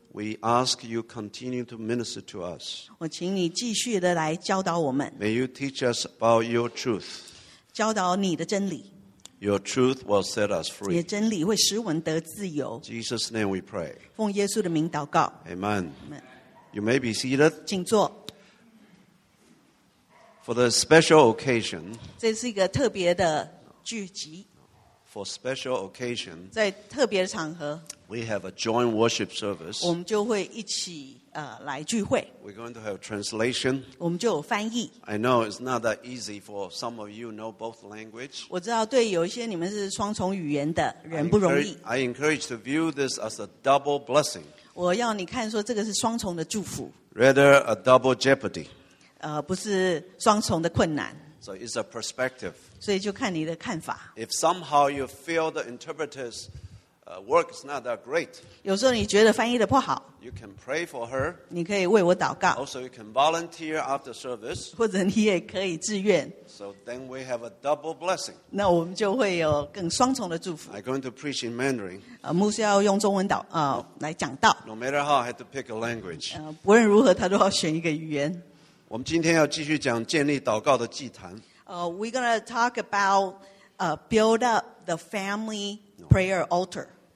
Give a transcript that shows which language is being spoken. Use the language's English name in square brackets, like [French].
[English] we ask you continue to minister to us. [Chinese] 我请你继续地来教导我们。 [English] May you teach us about your truth. [Chinese] 教导你的真理。 [English] Your truth will set us free. [Chinese] 你的真理会使我们得自由。 [English] Jesus' name we pray. [Chinese] 奉耶稣的名祷告。 [English] Amen. Amen. You may be seated. [Chinese] 请坐。 [English] For the special occasion, [Chinese] 这是一个特别的聚集。 [English] For special occasion, [Chinese] 在特别的场合, [English] we have a joint worship service. [Chinese] 我们就会一起, 来聚会。 [English] We're going to have translation. [Chinese] 我们就有翻译。 [English] I know it's not that easy for some of you know both language. [Chinese] 我知道对有一些你们是双重语言的人不容易。 [English] I encourage to view this as a double blessing. [Chinese] 我要你看说这个是双重的祝福。 [English] Rather a double jeopardy. [Chinese] 不是双重的困难。 [English] So it's a perspective. [Chinese] 所以就看你的看法。 [English] If somehow you feel the interpreter's work is not that great, [Chinese] 有时候你觉得翻译的不好, [English] you can pray for her. [Chinese] 你可以为我祷告。 [English] Also, you can volunteer after service. [Chinese] 或者你也可以自愿。 [English] So then we have a double blessing. [Chinese] 那我们就会有更双重的祝福。 [English] I'm going to preach in Mandarin. [Chinese] 牧师要用中文祷, 来讲道。 [English] No matter how, I have to pick a language. [Chinese] 不论如何，他都要选一个语言。我们今天要继续讲建立祷告的祭坛。 [English] We're going to talk about build up the family prayer altar.